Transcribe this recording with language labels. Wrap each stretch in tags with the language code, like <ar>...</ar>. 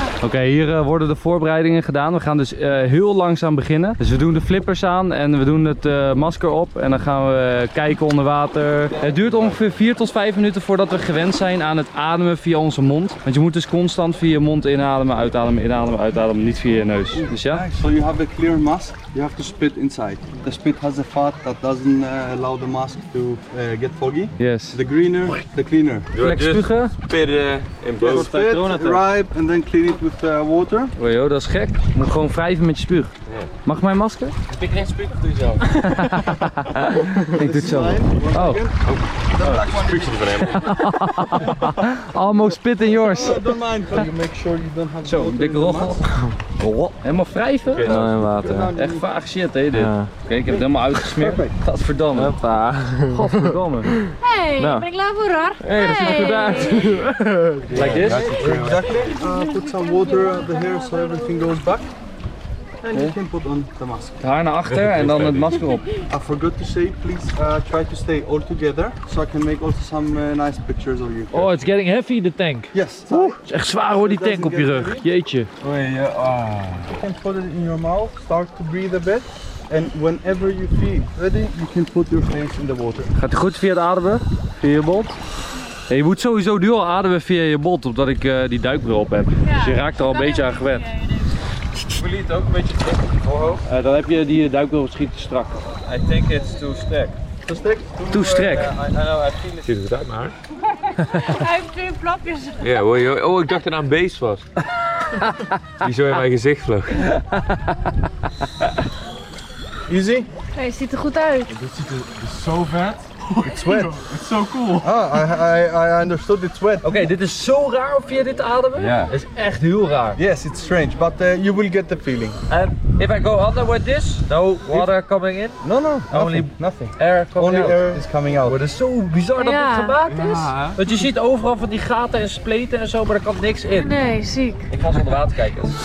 <nl>Oké, hier worden de voorbereidingen gedaan. We gaan dus heel langzaam beginnen. Dus we doen de flippers aan en we doen het masker op en dan gaan we kijken onder water. Het duurt ongeveer 4 tot 5 minuten voordat we gewend zijn aan het ademen via onze mond. Want je moet dus constant via je mond inademen, uitademen, niet via je neus. Dus ja?</nl> <en>So you have a clear mask, you have to spit inside. The spit has a fat that doesn't allow the mask to get foggy. Yes. The greener, the cleaner.</en> <nl>Flex spugen.</nl> <en>Spit in both. Spit, ripe and then clean it with water.</en> <nl>Oh joh, dat is gek. Je moet gewoon wrijven met je spuug. Yeah. Mag mijn masker? Heb ik geen spuug of doe je zelf? Ik doe het zelf. Oh.</nl> <en>Almost spit in yours. Don't mind. So you make sure you don't have</en> <nl>zo, een dikke rochel. Helemaal wrijven? Okay, nou. En water. Echt vaag shit, hé dit. Ja. Oké, okay, ik heb het helemaal uitgesmeerd. Godverdamme. Hoppa. Godverdamme. Hey, nou. Ben ik klaar voor haar? Hey, dat ziet er goed uit.</nl> <en>Like this? Exactly. Put some water on the hair so everything goes back. And you can put on the mask.</en> <nl>Het haar naar achter en dan het masker op.</nl> <en>I forgot to say, please try to stay all together. So I can make also some nice pictures of you. Oh, it's getting heavy, the tank. Yes.</en> <nl>Het is echt zwaar hoor, die tank op je rug. Jeetje.</nl> <en>You can put it in your mouth, start to breathe a bit. And whenever you feel ready, you can put your face in the water.</en> <nl>Gaat het goed via het ademen? Via je bot? Ja, je moet sowieso nu al ademen via je bot, omdat ik die duikbril op heb. Dus je raakt er al een beetje aan gewend. Wil je het ook een beetje strak op je voorhoofd? Dan heb je die duikbril misschien te strak.</nl> <en>I think it's too strak. Too strak? Too strak. I know, I feel it.</en> <nl>Ziet het uit Hij heeft twee plapjes. Ja, oh, ik dacht dat het een beest was. Die zo in mijn gezicht vloog.</nl> <en>Easy?</en> <nl>Hij ziet er goed uit. Dit ziet er zo vet.</nl> <en>It's wet. It's so cool. I understood it's wet.</en> <nl>Oké, dit is zo raar of je dit ademen. Ja. Is echt heel raar.</nl> <en>Yes, it's strange, but you will get the feeling. And if I go under with this, no water coming in? No, no. Nothing. Air coming only out. Only air is coming out.</en> <nl>Het is zo bizar dat dit gemaakt is. Want je ziet overal van die gaten en spleten en zo, maar er kan niks in. Nee, ziek. Ik ga eens onder water kijken.</nl>